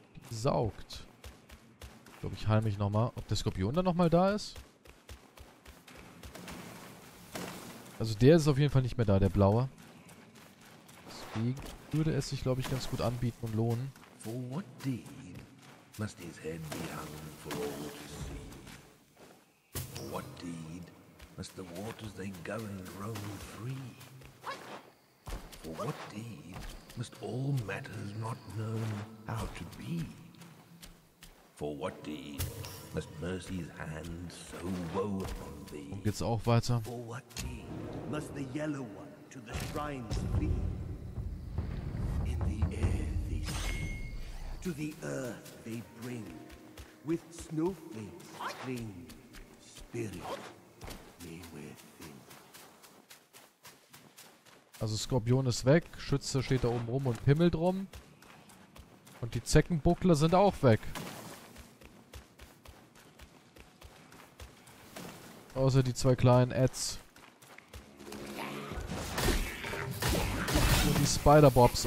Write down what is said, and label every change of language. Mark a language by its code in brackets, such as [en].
[de] Die saugt. Ich glaube, ich heile mich nochmal. Ob der Skorpion dann nochmal da ist? Also der ist auf jeden Fall nicht mehr da, der blaue. Deswegen würde es sich, glaube ich, ganz gut anbieten und lohnen. [en] For what deed must his head be hung for all to see? For what deed must the waters they govern roam free? For what deed must all matters not known how to be? For what deed must mercy's hand so woe upon thee? [de] Und geht's auch weiter? [en] For what deed must the yellow one to the shrine flee? In the air they see, to the earth they bring, with snowflakes cling, spirit they wear thin. [de] Also Skorpion ist weg, Schütze steht da oben rum und pimmelt rum. Und die Zeckenbuckler sind auch weg. Außer die zwei kleinen Ads. Und die Spider-Bobs.